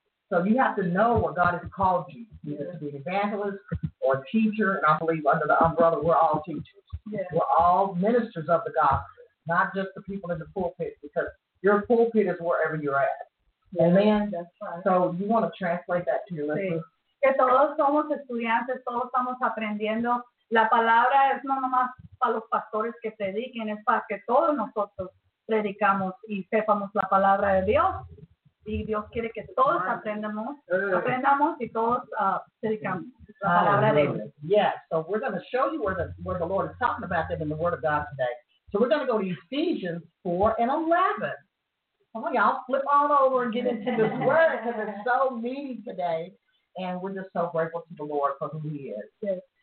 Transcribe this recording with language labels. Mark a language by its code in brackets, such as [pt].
[en] So you have to know what God has called you, either to be an evangelist or a teacher. And I believe under the umbrella, we're all teachers. Yeah. We're all ministers of the gospel, not just the people in the pulpit, because your pulpit is wherever you're at. Yeah, amen? That's right. So you want to translate that to your listeners. [es] Que todos somos estudiantes, todos estamos aprendiendo. La palabra es no nomás para los pastores que prediquen, es para que todos nosotros predicamos y sepamos la palabra de Dios. Y Dios quiere que todos aprendamos y todos predicamos la palabra de Dios. [en] Yes, so we're going to show you where the Lord is talking about that in the Word of God today. So we're going to go to Ephesians 4:11. Come on, y'all, flip all over and get into this Word, because it's so meaty today. And we're just so grateful to the Lord for who he is. Yes.